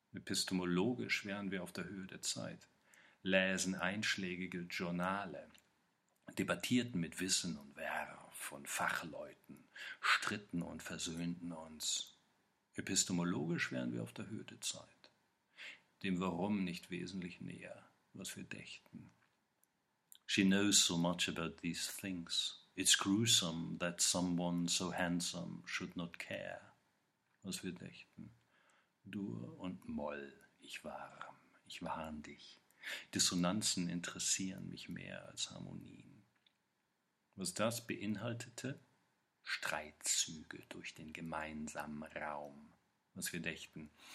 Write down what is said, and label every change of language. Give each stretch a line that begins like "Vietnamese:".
German: Epistemologisch wären wir auf der Höhe der Zeit, läsen einschlägige Journale, debattierten mit Wissen und Werf und Fachleuten, stritten und versöhnten uns. Epistemologisch wären wir auf der Höhe der Zeit, dem Warum nicht wesentlich näher, was wir dächten.
English: She knows so much about these things. It's gruesome that someone so handsome should not care,
German: was wir dächten. Dur und Moll, ich warn dich. Dissonanzen interessieren mich mehr als Harmonien. Was das beinhaltete? Streitzüge durch den gemeinsamen Raum. Was wir dächten.